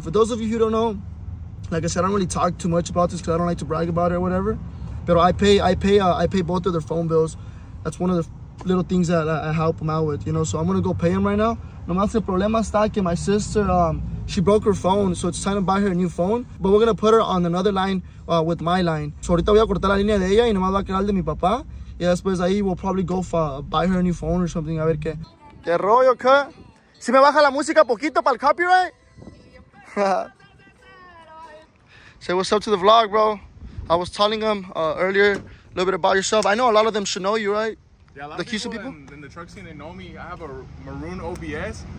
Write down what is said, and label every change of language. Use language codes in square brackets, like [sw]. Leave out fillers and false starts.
[en] And for those of you who don't know, like I said, I don't really talk too much about this because I don't like to brag about it or whatever. But I pay both of their phone bills. That's one of the little things that I help them out with, you know. So I'm gonna go pay them right now. [es] No más el problema está que [en] my sister, she broke her phone, so it's time to buy her a new phone. But we're gonna put her on another line with my line. [es] So ahorita voy a cortar la línea de ella y nomás va a quedar de mi papá. Y después ahí [en] we'll probably go buy her a new phone or something. [es] A ver qué. ¿Qué rollo, qué? ¿Si me baja la música poquito para el copyright? [en] Say what's up to the vlog, bro. I was telling them earlier a little bit about yourself. I know a lot of them should know you, right? Yeah, a lot of people, in the truck scene, they know me. I have a maroon OBS.